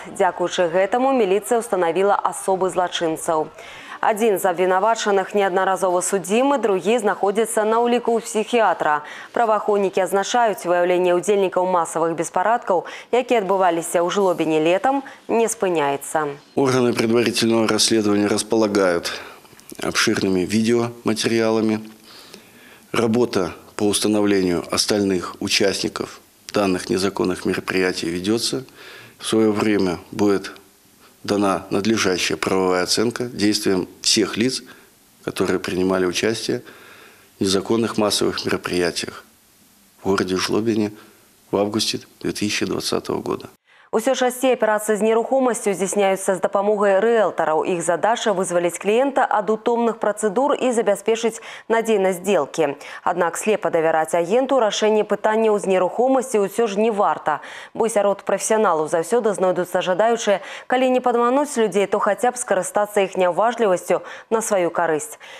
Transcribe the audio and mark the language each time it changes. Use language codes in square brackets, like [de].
[be] Дзякуючы гэтаму міліцыя ўстанавіла асобы злачынцаў. Адзін з абвінавачаных неаднаразова судзімы, другі знаходзіцца на ўліку ў псіхіатра. Праваахоўнікі адзначаюць, выяўленне ўдзельнікаў масавых беспарадкаў, якія адбываліся ў Жлобіне летам, не спыняецца. [ru] Органы предварительного расследования располагают обширными видеоматериалами. Работа по установлению остальных участников данных незаконных мероприятий ведется. В свое время будет дана надлежащая правовая оценка действиям всех лиц, которые принимали участие в незаконных массовых мероприятиях в городе Жлобине в августе 2020 года. [be] Усё часцей аперацыі з нерухомасцю здзяйсняюцца з дапамогай рыэлтараў. Іх задача – вызваліць кліента ад утомных працэдур і забяспечыць надзейнасць здзелкі. Аднак слепа давяраць агенту рашэнне пытанняў з нерухомасцю ўсё ж не варта. Бо сярод прафесіяналаў заўсёды знойдуцца жадаючыя, калі не падмануць людзей, то хаця б скарыстацца іх няўважлівасцю на сваю карысць.